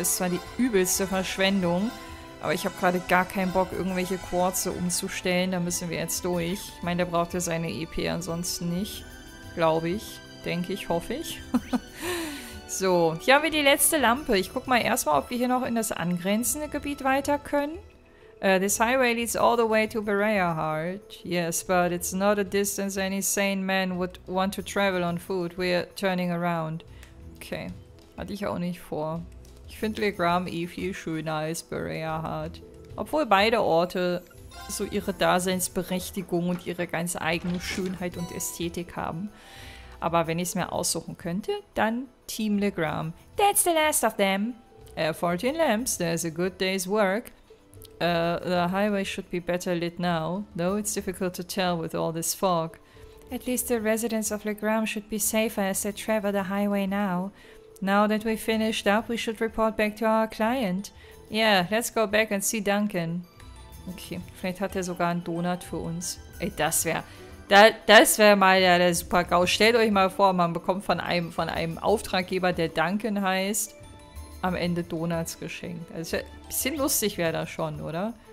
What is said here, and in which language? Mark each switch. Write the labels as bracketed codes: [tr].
[de] Ist zwar die übelste Verschwendung, aber ich habe gerade gar keinen Bock, irgendwelche Quarze umzustellen. Da müssen wir jetzt durch. Ich meine, der braucht ja seine EP ansonsten nicht. Glaube ich. Denke ich, hoffe ich. So, hier haben wir die letzte Lampe. Ich guck mal erstmal, ob wir hier noch in das angrenzende Gebiet weiter können. [en] This highway leads all the way to Berea Heart. Yes, but it's not a distance any sane man would want to travel on foot. We're turning around. [de] Okay, hatte ich auch nicht vor. Ich finde Legram eh viel schöner als Berea Heart. Obwohl beide Orte so ihre Daseinsberechtigung und ihre ganz eigene Schönheit und Ästhetik haben. Aber wenn ich es mir aussuchen könnte, dann Team Legram. [en] That's the last of them. 14 lamps, there's a good day's work. The highway should be better lit now, though it's difficult to tell with all this fog. At least the residents of Legram should be safer as they travel the highway now. Now that we've finished up, we should report back to our client. Yeah, let's go back and see Duncan. [de] Okay, vielleicht hat er sogar einen Donut für uns. Ey, das wäre... Das wäre mal der Super-GAU. Stellt euch mal vor, man bekommt von einem Auftraggeber, der Duncan heißt, am Ende Donuts geschenkt. Also ein bisschen lustig wäre das schon, oder?